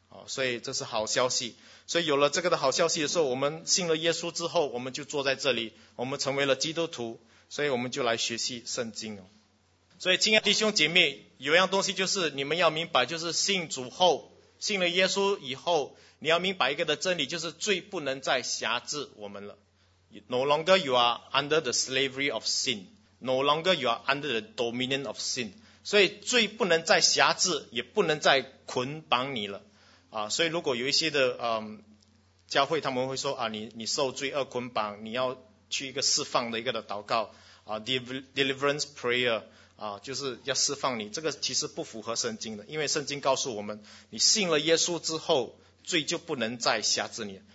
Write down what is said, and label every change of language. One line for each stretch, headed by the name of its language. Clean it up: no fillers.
Chinese: 所以这是好消息。所以有了这个的好消息的时候，我们信了耶稣之后，我们就坐在这里，我们成为了基督徒。所以我们就来学习圣经。所以亲爱的弟兄姐妹，有样东西就是你们要明白，就是信主后，信了耶稣以后，你要明白一个的真理，就是罪不能再辖制我们了。
English: No longer you are under the slavery of sin. No longer you are under the dominion of sin.
Chinese: 所以罪不能再辖制，也不能再捆绑你了。所以如果有一些的教会，他们会说你受罪恶捆绑，你要去一个释放的一个的祷告deliverance prayer，就是要释放你。这个其实不符合圣经的，因为圣经告诉我们，你信了耶稣之后，罪就不能再辖制你。